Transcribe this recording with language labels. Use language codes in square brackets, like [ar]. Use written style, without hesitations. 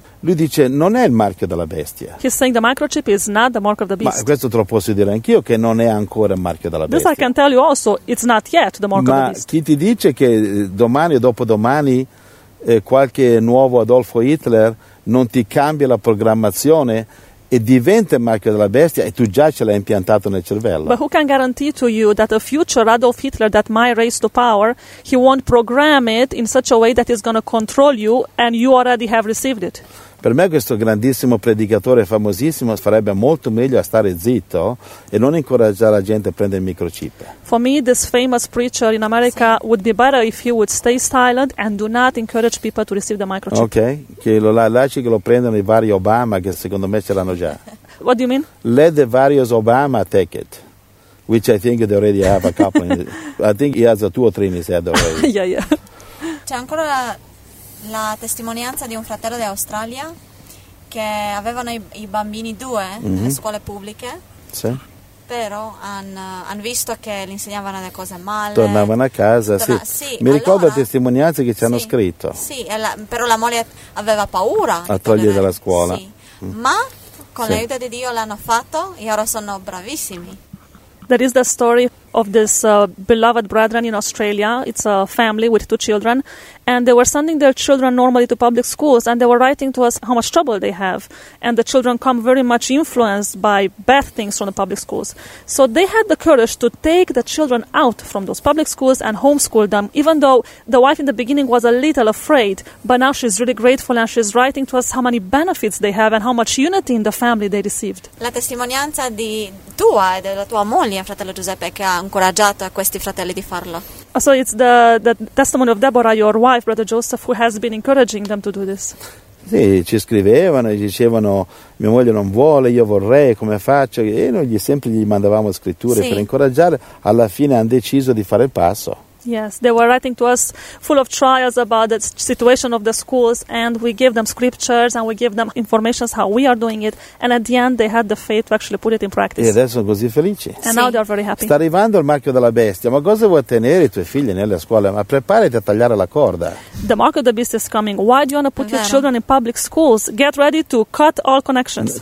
[it] Lui dice non è il marchio della bestia. [en] He's saying the microchip is not the mark of the beast. [it] Ma questo te lo posso dire anch'io che non è ancora il marchio della bestia. [en] This I can tell you also, it's not yet the mark [it] Ma [en] of the beast. [it] Ma chi ti dice che domani o dopodomani qualche nuovo Adolfo Hitler non ti cambia la programmazione e diventa il marchio della bestia e tu già ce l'hai impiantato nel cervello? [en] But who can guarantee to you that a future Adolf Hitler that might raise to power, he won't program it in such a way that he's going to control you and you already have received it? [it] Per me questo grandissimo predicatore famosissimo farebbe molto meglio a stare zitto e non incoraggiare la gente a prendere il microchip. [en] For me, this famous preacher in America would be better if he would stay silent and do not encourage people to receive the microchip. [it] Ok, che lo lasci che lo prendano i vari Obama, che secondo me ce l'hanno già. [en] What do you mean? Let the various Obama take it, which I think they already have a couple. I think he has a two or three in his head already. Yeah, yeah. [it] C'è ancora la testimonianza di un fratello d'Australia che avevano i bambini due nelle scuole pubbliche. Sì. Però hanno visto che li insegnavano le cose male. Tornavano a casa, sì. Mi ricordo la testimonianza che ci hanno scritto. Sì, però la moglie aveva paura. A togliere dalla scuola. Sì. Ma con l'aiuto di Dio l'hanno fatto e ora sono bravissimi. [en] There is the story of this beloved brethren in Australia. It's a family with two children, and they were sending their children normally to public schools, and they were writing to us how much trouble they have, and the children come very much influenced by bad things from the public schools. So they had the courage to take the children out from those public schools and homeschool them, even though the wife in the beginning was a little afraid, but now she's really grateful and she's writing to us how many benefits they have and how much unity in the family they received. [it] La testimonianza di tua e della tua moglie, fratello Giuseppe, che ha incoraggiato a questi fratelli di farlo. [en] So it's the testimony of Deborah, your wife, brother Joseph, who has been encouraging them to do this. [it] Sì, ci scrivevano e dicevano: mia moglie non vuole, io vorrei, come faccio? E noi gli mandavamo scritture per incoraggiare. Alla fine hanno deciso di fare il passo. [en] Yes, they were writing to us full of trials about the situation of the schools, and we gave them scriptures and we gave them information how we are doing it, and at the end they had the faith to actually put it in practice. [it] E adesso sono così felici. [en] And now they are very happy. [it] Sta arrivando il marchio della bestia, ma cosa vuoi tenere i tuoi figli nelle scuole? Ma preparati a tagliare la corda. [en] The mark of the beast is coming. Why do you want to put your children in public schools? Get ready to cut all connections.